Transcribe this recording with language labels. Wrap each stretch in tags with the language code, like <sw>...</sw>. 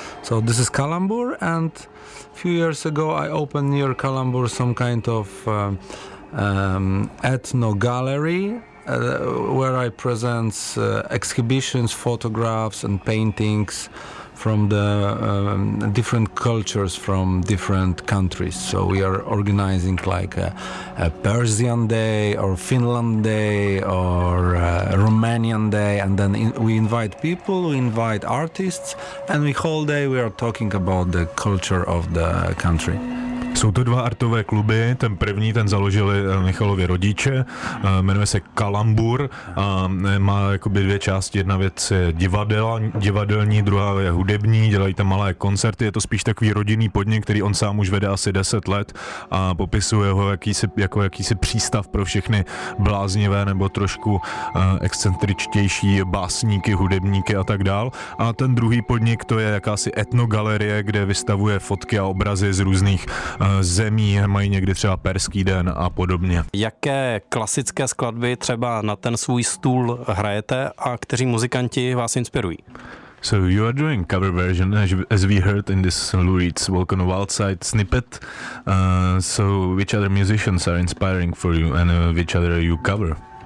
<en>So this is Kalambur, and a few years ago I opened near Kalambur some kind of ethno gallery where I present exhibitions, photographs and paintings from the different cultures from different countries. So we are organizing like a Persian day or Finland day or Romanian day, and then we invite people, we invite artists, and the whole day we are talking about the culture of the country.</en> <cs>Jsou to dva artové kluby, ten první, ten založili Michalovi rodiče, jmenuje se Kalambur, má jakoby dvě části, jedna věc je divadelní, druhá je hudební, dělají tam malé koncerty, je to spíš takový rodinný podnik, který on sám už vede asi 10 let a popisuje ho jakýsi přístav pro všechny bláznivé nebo trošku excentričtější básníky, hudebníky a tak dál. A ten druhý podnik, to je jakási etnogalerie, kde vystavuje fotky a obrazy z různých zemí, mají někdy třeba Perský den a podobně. Jaké klasické skladby třeba na ten svůj stůl hrajete a kteří muzikanti vás inspirují?</cs> <en>So you are doing cover version, as we heard in this Lou Reed's Walk on the Wild Side snippet. So which other musicians are inspiring for you and which other you cover?</en>